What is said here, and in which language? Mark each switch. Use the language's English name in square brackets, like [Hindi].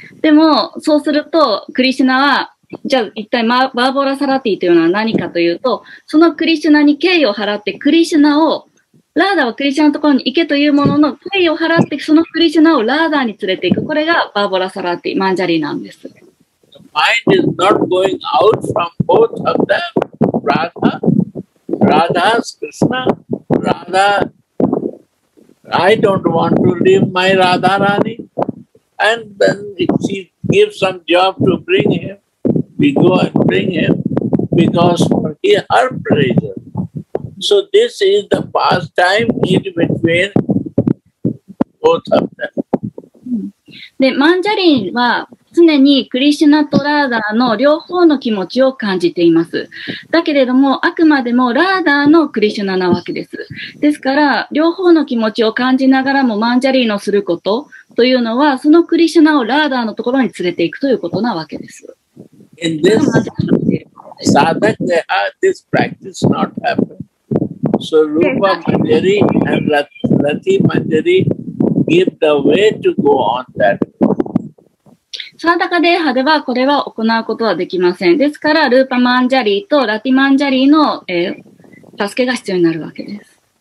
[Japanese] でも、そうすると、クリシュナはじゃあ一体バーボラサラティというのは何かというと、そのクリシュナに敬意を払ってクリシュナを、ラーダはクリシュナのところに行けというものの敬意を払ってそのクリシュナをラーダに連れていく、これがバーボラサラティ、マンジャリーなんです。 [English] The mind is not going out from both of them. Radha, Radha's Krishna, Radha, I don't want to leave my Radharani, and then she gives some job to bring him. We go and bring him because for her pleasure. So this is the pastime in between both of them. [Japanese] で、マンジャリンは常にクリシュナとラーダーの両方の気持ちを感じています。だけれども、あくまでもラーダーのクリシュナなわけです。ですから、両方の気持ちを感じながらもマンジャリーのすることというのは、そのクリシュナをラーダーのところに連れていくということなわけです。 [English] In this sadhana, this practice not happen. So Rupa Manjari and Rati Manjari give the way to go on that. [Japanese] サーダカデーハではこれは行うことはできません。ですから、ルーパマンジャリーとラティマンジャリーの、助けが必要になるわけです。